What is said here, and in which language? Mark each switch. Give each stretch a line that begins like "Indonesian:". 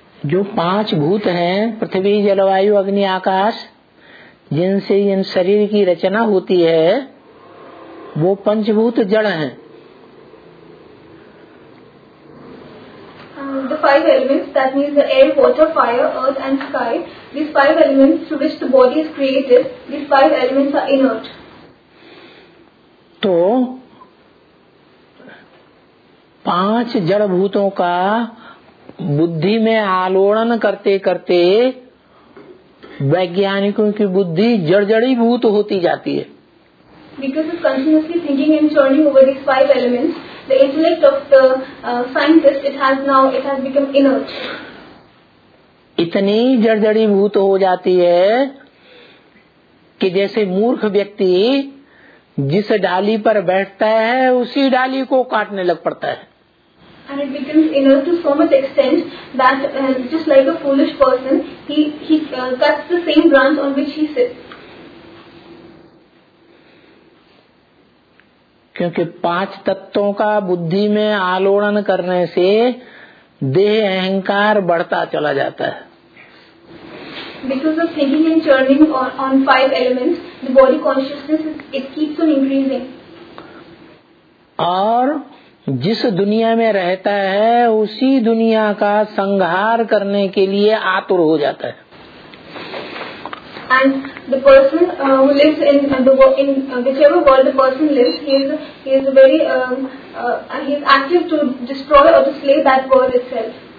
Hindi: जो पांच भूत हैं, पृथ्वी, जलवायु, अग्नि, आकाश, जिनसे इन शरीर की रचना होती है, वो पंचभूत जड़ हैं।
English: The five elements, that means the air, water, fire, earth and sky, these five elements through which the body is created, these five elements are inert.
Hindi: तो पांच जड़ भूतों का बुद्धि में आलोड़न करते करते वैज्ञानिकों की बुद्धि जड़जड़ी भूत होती जाती है।
English: Because of continuously thinking and churning over these five elements, the intellect of the scientist it has become inert.
Hindi: इतनी जड़जड़ी भूत हो जाती है कि जैसे मूर्ख व्यक्ति जिस डाली पर बैठता है उसी डाली को काटने लग पड़ता है।
English: And it becomes inert to so much extent that just like a foolish person, he cuts the same branch on which he sits.
Hindi: क्योंकि पांच तत्वों का बुद्धि में आलोड़न करने से देह अहंकार बढ़ता चला जाता है.
English: Because of thinking and churning on five elements, the body consciousness it keeps on increasing.
Hindi: और जिस दुनिया में रहता है उसी दुनिया का संहार करने के लिए आतुर हो जाता है.
English: And the person who lives in whichever world the person lives, he is very he is anxious to destroy or to slay that world itself.